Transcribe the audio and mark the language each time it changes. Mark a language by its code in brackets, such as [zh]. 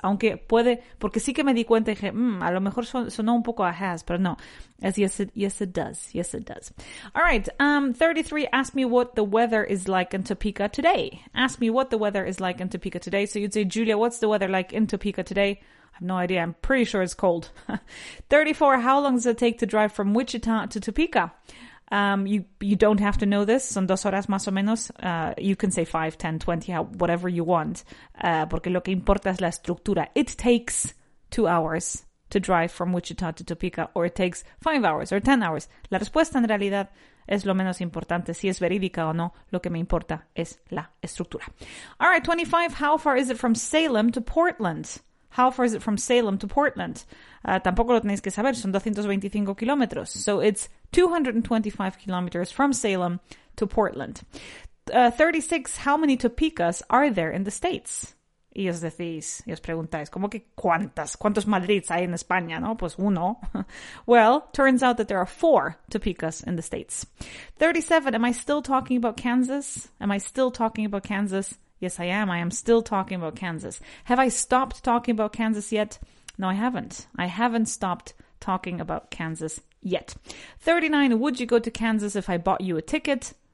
[es] Aunque puede, porque sí que me di cuenta y dije, a lo mejor sonó un poco a has, pero no. [en] As yes, it does. All right. 33, ask me what the weather is like in Topeka today. Ask me what the weather is like in Topeka today. So you'd say, Julia, what's the weather like in Topeka today? I have no idea. I'm pretty sure it's cold. 34, how long does it take to drive from Wichita to Topeka? You don't have to know this. [es] Son dos horas más o menos. [en] You can say 5, 10, 20, whatever you want. [es] Porque lo que importa es la estructura. [en] It takes 2 hours to drive from Wichita to Topeka, or it takes 5 hours or 10 hours. [es] La respuesta en realidad es lo menos importante. Si es verídica o no, lo que me importa es la estructura. [en] All right, [es] 25. [en] How far is it from Salem to Portland? How far is it from Salem to Portland? [es] Tampoco lo tenéis que saber. Son 225 kilómetros. [en] So it's 225 kilometers from Salem to Portland. 36, how many Topekas are there in the States? [es] Y os decís, y os preguntáis, ¿cómo que cuántas? ¿Cuántos Madrids hay en España? ¿No? Pues uno. [en] Well, turns out that there are 4 Topekas in the States. 37, am I still talking about Kansas? Am I still talking about Kansas? Yes, I am. I am still talking about Kansas. Have I stopped talking about Kansas yet? No, I haven't. I haven't stopped talking about Kansas yet. 39, would you go to Kansas if I bought you a ticket?